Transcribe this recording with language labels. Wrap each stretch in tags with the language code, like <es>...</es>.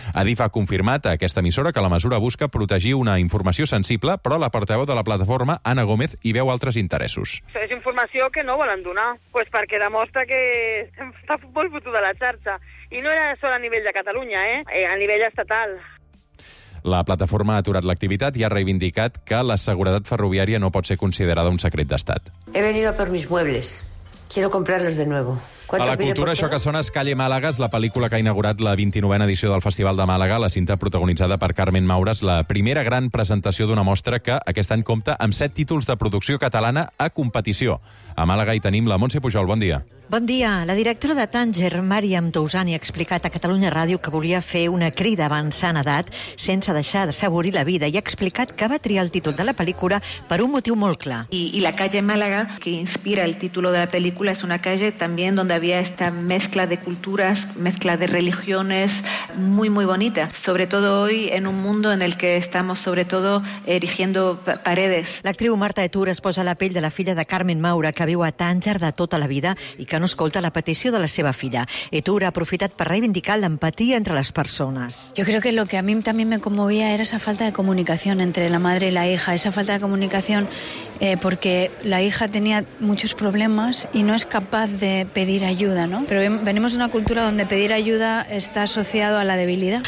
<ca>Adif ha confirmat a aquesta emissora que la mesura busca protegir una informació sensible, però la portaveu de la plataforma, Anna Gómez, hi veu altres interessos. És informació que no volen donar, pues perquè demostra que està molt fotuda la xarxa. I no era sol a nivell de Catalunya, a nivell estatal. La plataforma ha aturat l'activitat i ha reivindicat que la seguretat ferroviària no pot ser considerada un secret d'estat.</ca> <es>He venido a por mis muebles. Quiero comprarlos de nuevo.</es> <ca>A la cultura, això que sona és Calle Màlaga, la pel·lícula que ha inaugurat la 29a edició del Festival de Màlaga, la cinta protagonitzada per Carmen Maures, la primera gran presentació d'una mostra que aquest any compta amb 7 títols de producció catalana a competició. A Màlaga hi tenim la Montse Pujol, bon dia. Bon dia. La directora de Tànger, Màriam Touzani, ha explicat a Catalunya Ràdio que volia fer una crida avançant edat sense deixar d'assaborir la vida, i ha explicat que va triar el títol de la pel·lícula per un motiu molt clar. I la Calle Màlaga, que inspira el títol de la pel·lícula, és una calle també on</ca> <es>había esta mezcla de culturas, mezcla de religiones, muy, muy bonita. Sobre todo hoy, en un mundo en el que estamos, sobre todo, erigiendo paredes.</es> <ca>L'actriu Marta Etur es posa la pell de la filla de Carmen Maura, que viu a Tànger de tota la vida i que no escolta la petició de la seva filla. Etur ha aprofitat per reivindicar l'empatia entre les persones.</ca> <es>Yo creo que lo que a mí también me conmovía era esa falta de comunicación entre la madre y la hija. Esa falta de comunicación porque la hija tenía muchos problemas y no es capaz de pedir ayuda, ¿no? Pero venimos de una cultura donde pedir ayuda está asociado a la debilidad.</es>